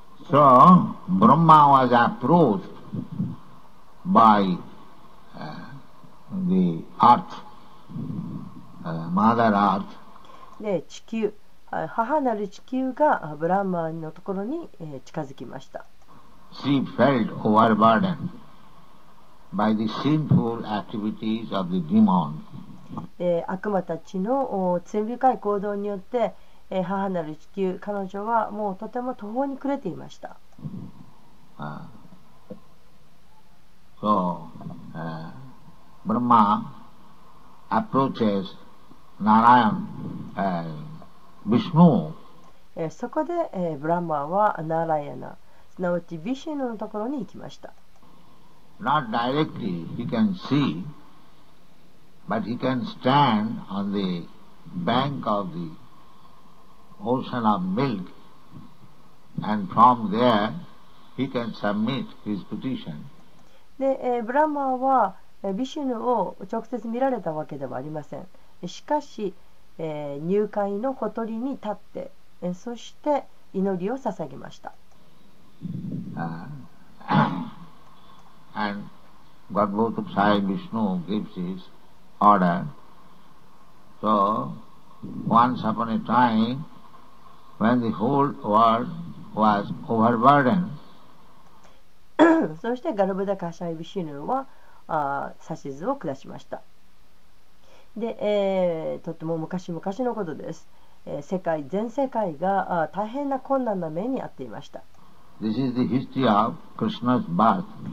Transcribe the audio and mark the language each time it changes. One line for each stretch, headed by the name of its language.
English: So, Brahma was approached by the earth, mother earth.
Japanese: で、地球。母なる地球がブランマーのところに近づきました。
English: She felt overburdened by the sinful activities of the demon.
Japanese: 悪魔たちの罪深い行動によって母なる地球、彼女はもうとても途方に暮れていました。
English: So, Brahma approaches Narayan Vishnu.
Japanese: そこで、ブランマーはナーライアナ、すなわちヴィシュヌのところに行きました。
English: Not directly he can see, but he can stand on the bank of the ocean of milk, and from there he can submit his petition.
Japanese: で、ブランマーはヴィシュヌを直接見られたわけではありません。しかし入会のほとりに立って、そして祈りを捧げました。
English: And Gadbhutuk Sai Vishnu gives his order. So, once upon a time, when the whole world was overburdened,
Japanese: そしてガルブダカシャイビシヌは指図を下しました。で、とても昔々のことです。世界、全世界が大変な困難な目に遭っていました。
English: This is the history of Krishna's birth.